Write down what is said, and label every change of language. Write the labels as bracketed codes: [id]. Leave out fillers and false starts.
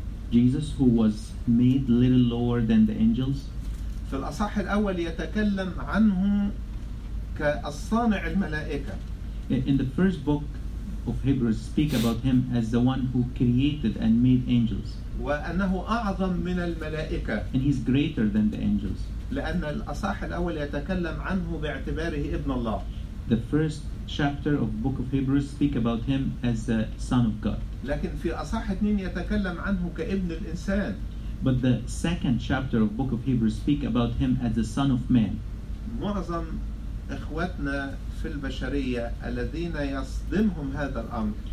[en] Jesus, who was made little lower than the angels. [ar] في الأصحاح الأول يتكلم عنه كالصانع الملائكة. [en] In the first book of Hebrews, speak about him as the one who created and made angels. [ar] وأنه أعظم من الملائكة. [en] And he's greater than the angels. [ar] لأن الأصحاح الأول يتكلم عنه باعتباره ابن الله. [en] The first chapter of book of Hebrews speak about him as the son of God. [ar] لكن في أصحاح 2 يتكلم عنه كابن الإنسان. [en] But the second chapter of book of Hebrews speak about him as the son of man. [ar] معظم إخواتنا في البشرية الذين يصدمهم هذا الأمر.